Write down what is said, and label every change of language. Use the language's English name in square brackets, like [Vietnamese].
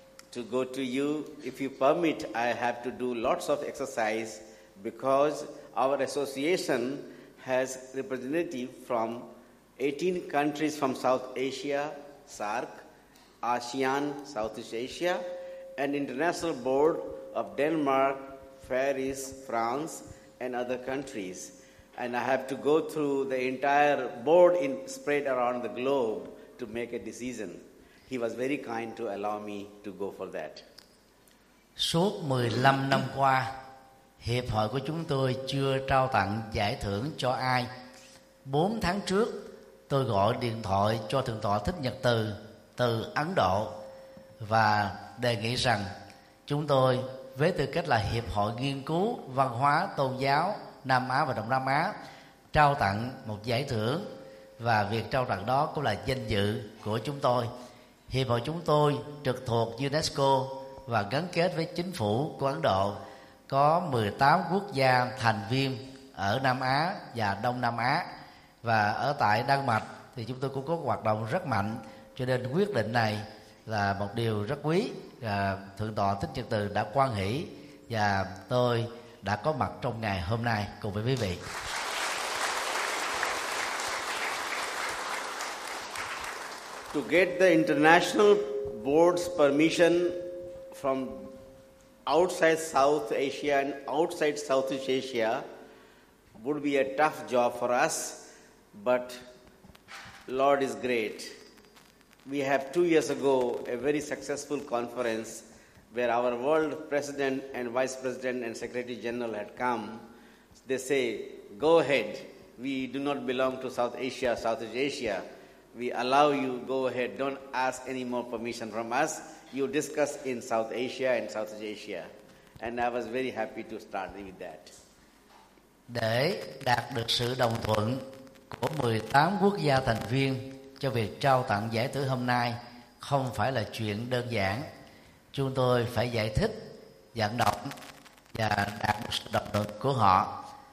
[English] to go to you, if you permit, I have to do lots of exercise because our association has representative from 18 countries from South Asia, SAARC, ASEAN, Southeast Asia, and international board of Denmark, Paris, France, and other countries. And I have to go through the entire board in, spread around the globe to make a decision. He was very kind to allow me to go for that. [Vietnamese] Suốt 15 năm qua, hiệp hội của chúng tôi chưa trao tặng giải thưởng cho ai. 4 tháng trước, tôi gọi điện thoại cho Thượng tọa Thích Nhật Từ từ Ấn Độ và đề nghị rằng chúng tôi với tư cách là hiệp hội nghiên cứu văn hóa tôn giáo Nam Á và Đông Nam Á trao tặng một giải thưởng, và việc trao tặng đó cũng là danh dự của chúng tôi. Hiệp hội chúng tôi trực thuộc UNESCO và gắn kết với chính phủ của Ấn Độ, có 18 quốc gia thành viên ở Nam Á và Đông Nam Á, và ở tại Đan Mạch thì chúng tôi cũng có hoạt động rất mạnh, cho nên quyết định này là một điều rất quý. Thượng tọa Thích Nhật Từ đã quan hỷ và tôi đã có mặt trong ngày hôm nay cùng với quý vị. [English] To get the international board's permission from outside South Asia and outside Southeast Asia would be a tough job for us, but Lord is great. We have 2 years ago a very successful conference where our world president and vice president and secretary general had come. They say, go ahead, we do not belong to South Asia, Southeast Asia. We allow you, go ahead, don't ask any more permission from us. You discuss in South Asia and Southeast Asia. And I was very happy to start with that. [Vietnamese] Để đạt được sự đồng thuận của 18 quốc gia thành viên cho việc trao tặng giải thưởng hôm nay không phải là chuyện đơn giản. Chúng tôi phải giải thích, vận động và đạt được sự đồng thuận của họ.